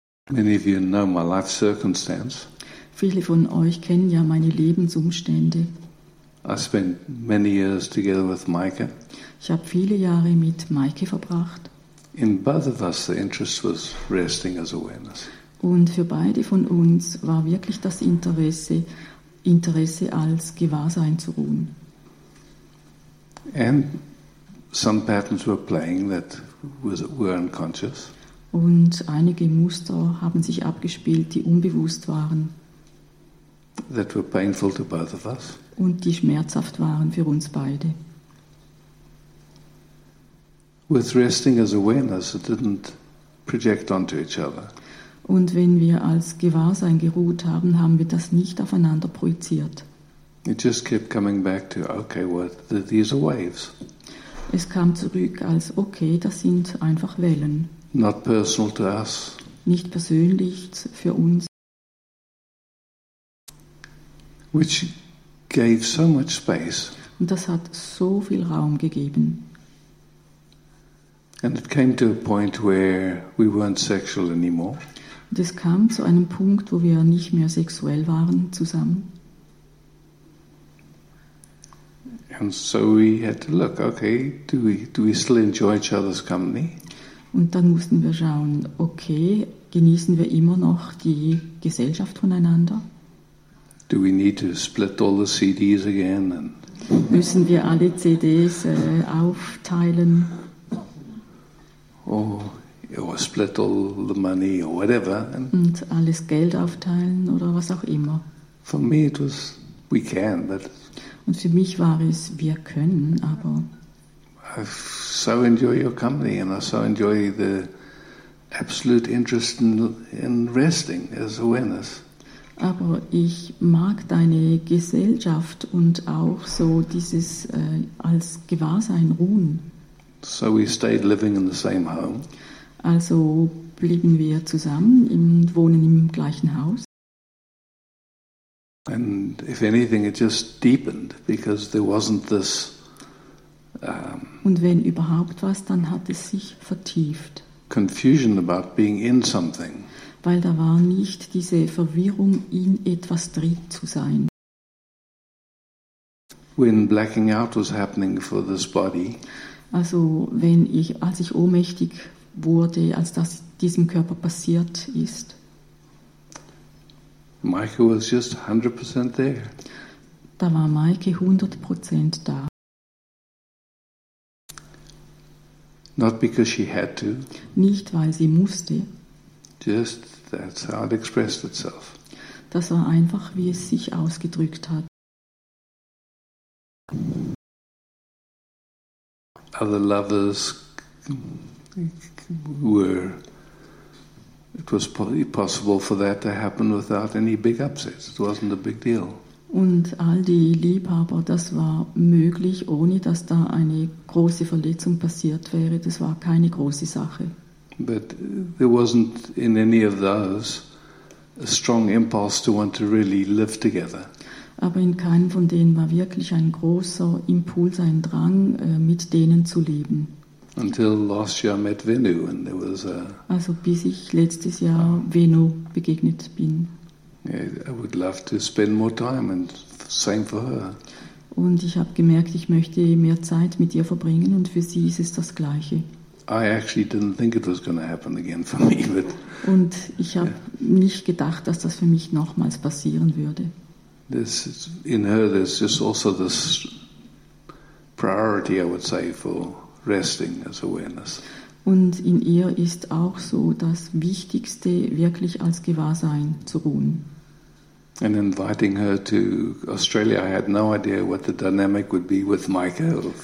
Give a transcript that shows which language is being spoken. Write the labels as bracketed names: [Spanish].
[English] Many of you know my life circumstance. [German] Viele von euch kennen ja meine Lebensumstände. [English] I spent many years together with Maike. [German] Ich habe viele Jahre mit Maike verbracht. [English] In both of us, the interest was resting as awareness. [German] Und für beide von uns war wirklich das Interesse als Gewahrsein zu ruhen. [English] And some patterns were playing that were unconscious. [German] Und einige Muster haben sich abgespielt, die unbewusst waren. [English] That were painful to both of us. [German] Und die schmerzhaft waren für uns beide. [English] With resting as awareness, it didn't project onto each other. [German] Und wenn wir als Gewahrsein geruht haben, haben wir das nicht aufeinander projiziert. [English] It just kept coming back to, okay, well, these are waves. [German] Es kam zurück als, okay, das sind einfach Wellen. [English] Not personal to us. [German] Nicht persönlich für uns. [English] Which gave so much space. [German] Und das hat so viel Raum gegeben. [English] And it came to a point where we weren't sexual anymore. [German] Und es kam zu einem Punkt, wo wir nicht mehr sexuell waren zusammen. [English] And so we had to look, okay, do we still enjoy each other's company? [German] Und dann mussten wir schauen, okay, genießen wir immer noch die Gesellschaft voneinander? [English] Do we need to split all the CDs again? And [German] müssen wir alle CDs aufteilen? [English] Or split all the money or whatever? And [German] und alles Geld aufteilen oder was auch immer? [English] For me it was, we can, but [German] und für mich war es, wir können, aber [English] I so enjoy your company and I so enjoy the absolute interest in resting as awareness. [German] Aber ich mag deine Gesellschaft und auch so dieses als Gewahrsein ruhen. [English] So we stayed living in the same home. [German] Also blieben wir zusammen und wohnen im gleichen Haus. [English] And if anything, it just deepened because there wasn't this. [German] Und wenn überhaupt was, dann hat es sich vertieft. [English] Confusion about being in something. [German] Weil da war nicht diese Verwirrung, in etwas drin zu sein. [English] When blacking out was happening for this body. [German] Also wenn ich, als ich ohnmächtig wurde, als das diesem Körper passiert ist. [English] Maike was just 100% there. [German] Da war Maike 100% da. [English] Not because she had to. [German] Nicht weil sie musste. [English] Just that's how it expressed itself. [German] Das war einfach, wie es sich ausgedrückt hat. [English] Other lovers were. It was possible for that to happen without any big upsets. It wasn't a big deal. [German] Und all die Liebhaber, das war möglich, ohne dass da eine große Verletzung passiert wäre. Das war keine große Sache. [English] But there wasn't in any of those a strong impulse to want to really live together. [German] Aber in keinem von denen war wirklich ein großer Impuls, ein Drang, mit denen zu leben. [English] Until last year I met Venu and there was a. [German] Also bis ich letztes Jahr Venu begegnet bin. [English] Yeah, I would love to spend more time, and same for her. [German] Und ich habe gemerkt, ich möchte mehr Zeit mit ihr verbringen, und für sie ist es das Gleiche. [English] I actually didn't think it was going to happen again for me. But, [German] und ich habe nicht gedacht, dass das für mich nochmals passieren würde. [English] This in her, there's just also this priority, I would say, for resting as awareness. [German] Und in ihr ist auch so das Wichtigste, wirklich als Gewahrsein zu ruhen. [English] And inviting her to Australia, I had no idea what the dynamic would be with Micah.